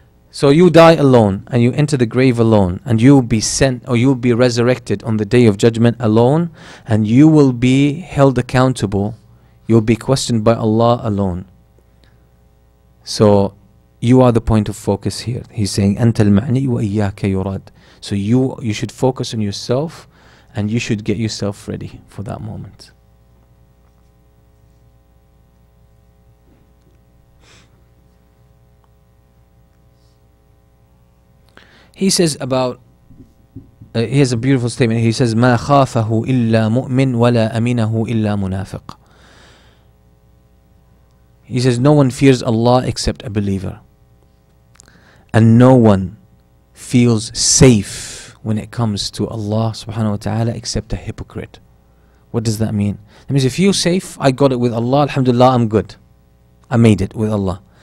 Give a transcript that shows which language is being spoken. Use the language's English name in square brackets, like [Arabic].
[English] So you die alone and you enter the grave alone, and you will be sent, or you will be resurrected on the day of judgment alone, and you will be held accountable. You will be questioned by Allah alone. So you are the point of focus here. He's saying, [Arabic] أنت المعني وإياك يراد. [English] So you should focus on yourself and you should get yourself ready for that moment. He says about, he has a beautiful statement. He says, [Arabic] مَا خَافَهُ إِلَّا مُؤْمِنْ وَلَا أَمِنَهُ إِلَّا مُنَافِقٌ. [English] He says, no one fears Allah except a believer. And no one feels safe when it comes to Allah subhanahu wa ta'ala except a hypocrite. What does that mean? That means if you're safe, I got it with Allah, alhamdulillah, I'm good. I made it with Allah.